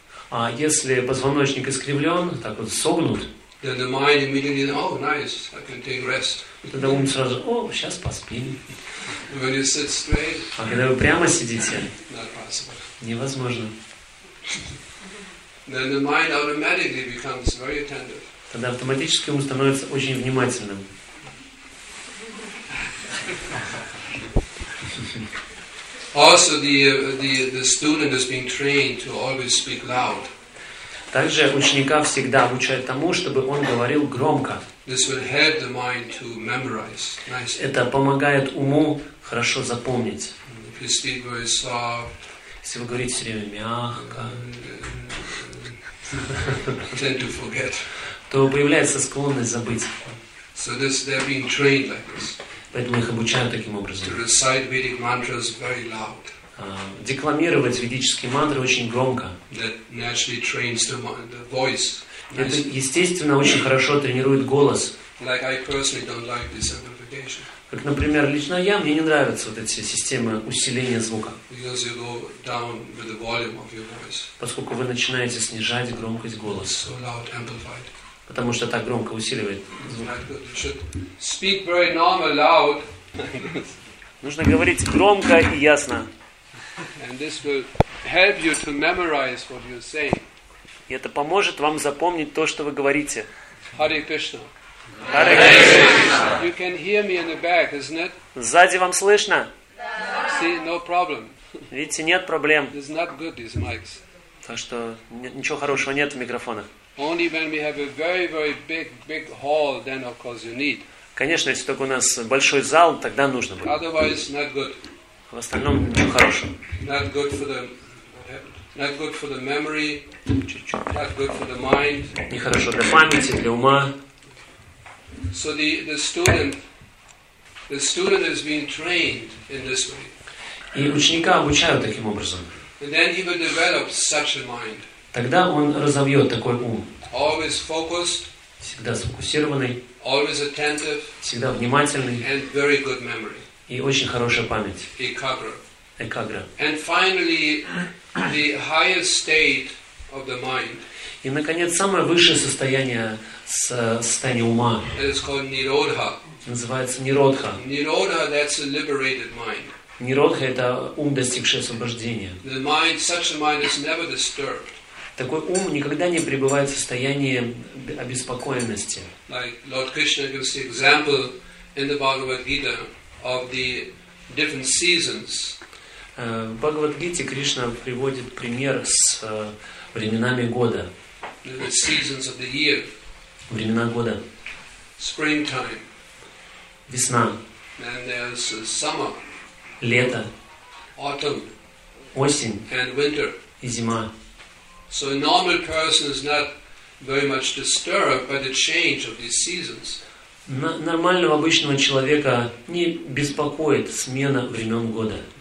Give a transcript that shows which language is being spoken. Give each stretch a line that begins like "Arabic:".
Russian: А если позвоночник искривлен, так вот согнут,
English: then the mind immediately, oh, nice, I can take rest.
Russian: Тогда ум сразу, о, сейчас поспим.
English: When you sit straight,
Russian: а когда вы прямо сидите,
English: not possible.
Russian: Невозможно.
English: Then the mind automatically becomes very attentive.
Russian: Тогда автоматически ум становится очень внимательным.
English: Also, the student is being trained to always speak loud.
Russian: Также ученика всегда обучают тому, чтобы он говорил громко.
English: This will help the mind to memorize. Nice.
Russian: Это помогает уму хорошо запомнить.
English: If you speak very soft,
Russian: если вы говорите все время мягко,
English: tend to forget.
Russian: То появляется склонность забыть.
English: So this, they're being trained like this.
Russian: Поэтому их обучают таким образом.
English: To recite Vedic mantras very loud.
Russian: Декламировать ведические мантры очень громко.
English: That naturally trains the voice.
Russian: Это, естественно, очень хорошо тренирует голос.
English: Like I personally don't like this amplification.
Russian: Как, например, лично я, мне не нравятся вот эти системы усиления звука.
English: Because you go down with the volume of your voice.
Russian: Поскольку вы начинаете снижать громкость голоса.
English: So loud, amplified.
Russian: Потому что так громко усиливает звук.
English: Speak very normal, loud.
Russian: Нужно говорить громко и ясно.
English: And this will help you to memorize what you're saying.
Russian: И это поможет вам запомнить то, что вы говорите.
English: Hare Krishna. Hare Krishna. You can hear me in the back, isn't it?
Russian: Сзади вам слышно?
English: Yeah. See, no problem.
Russian: Видите, нет проблем.
English: It's not good, these mics.
Russian: Так что ничего хорошего нет в микрофонах.
English: Only when we have a very, very big, big hall, then of course you need.
Russian: Конечно, если только у нас большой зал, тогда нужно будет.
English: Otherwise, not good.
Russian: В остальном ничего хорошего.
English: Not good for the, not good for the memory.
Russian: Чуть-чуть.
English: Not good for the mind.
Russian: Нехорошо для памяти, для ума.
English: So the student is being trained in this way.
Russian: И ученика обучают таким образом.
English: And then he will develop such a mind.
Russian: Тогда он разовьет такой ум.
English: Always focused,
Russian: всегда сфокусированный.
English: Always attentive,
Russian: всегда внимательный.
English: And very good memory.
Russian: И очень хорошая память. Экагра. Экагра.
English: And finally, the highest state of the mind.
Russian: И, наконец, самое высшее состояние, состояние ума.
English: It is called Nirodha.
Russian: Называется Nirodha.
English: Nirodha, that's a liberated mind.
Russian: Nirodha – это ум, достигший освобождения.
English: The mind, such a mind is never disturbed.
Russian: Такой ум никогда не пребывает в состоянии обеспокоенности.
English: Like Lord Krishna gives the example in the Bhagavad Gita of the different seasons.
Russian: В Бхагавад Гите Кришна приводит пример с временами года.
English: The seasons of the year.
Russian: Времена года.
English: Springtime.
Russian: Весна.
English: And there's summer.
Russian: Лето.
English: Autumn.
Russian: Осень.
English: And winter.
Russian: И зима.
English: So a normal person is not very much disturbed by the change of these seasons.
Russian: Нормального обычного человека не беспокоит смена времен года.